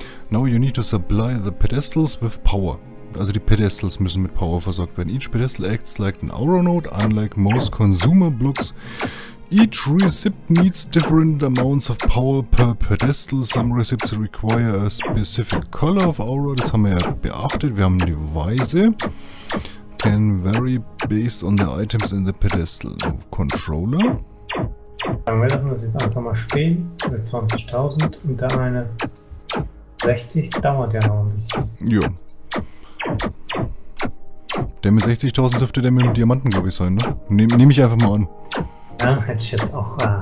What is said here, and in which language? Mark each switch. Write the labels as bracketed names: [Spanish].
[English] Now you need to supply the pedestals with power. [German] Also die Pedestals müssen mit Power versorgt werden. [English] Each pedestal acts like an aura node, unlike most consumer blocks. Each recipe needs different amounts of power per pedestal. Some recipes require a specific color of aura. [German] Das haben wir ja beachtet. Wir haben die Weiße. [English] Can vary based on the items in the pedestal. Controller. [German] Dann wir lassen das jetzt einfach mal stehen mit 20.000 und dann eine 60. Dauert ja noch ein bisschen. Jo. Der mit 60.000 dürfte der mit dem Diamanten, glaube ich, sein, ne? Nehm ich einfach mal an. Ja, hätte ich jetzt auch.